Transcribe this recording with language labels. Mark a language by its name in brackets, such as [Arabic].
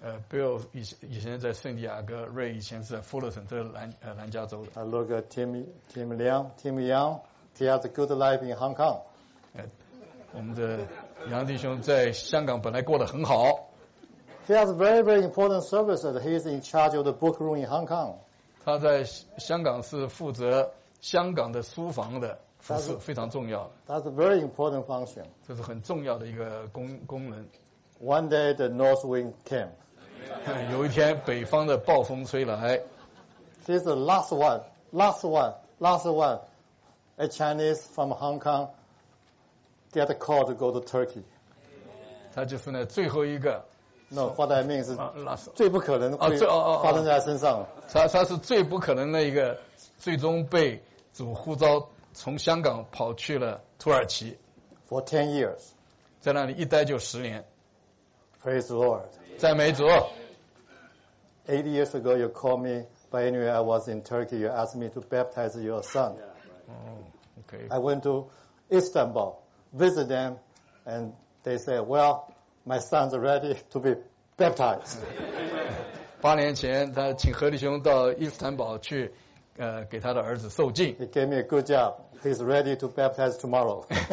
[Chinese] Bill 以前在圣地亚哥 ，Ray 以前是在 Fullerton 这南加州的。 [English] I look at Tim Young, he has a good life in Hong Kong. [Chinese] 我们的杨弟兄在香港本来过得很好。 [English] He has very very important service that he is in charge of the book room in Hong Kong. [Chinese] 他在香港是负责香港的书房的服侍，非常重要。 [English] That's a very important function. [Chinese] 这是很重要的一个功能。 [English] One day the north wind came. [Chinese] 有一天北方的暴风吹来。 [English] This is the last one. A Chinese from Hong Kong get a call to go to Turkey. [Chinese] 他就是那最后一个。 [English] No, what I mean is [Chinese] 最不可能会发生在他身上。他是最不可能的一个，最终被主呼召从香港跑去了土耳其。 [English] For 10 years. [Chinese] 在那里一待就10年。 [English] Praise the Lord. [Chinese] 赞美主。 [English] 8 years ago, you called me, but anyway, I was in Turkey. You asked me to baptize your son. I went to Istanbul, visit them, and they said, well, my son's ready to be baptized. [Chinese] 八年前他请何弟兄到伊斯坦堡去给他的儿子受浸。 [English] He gave me a good job. He's ready to baptize tomorrow.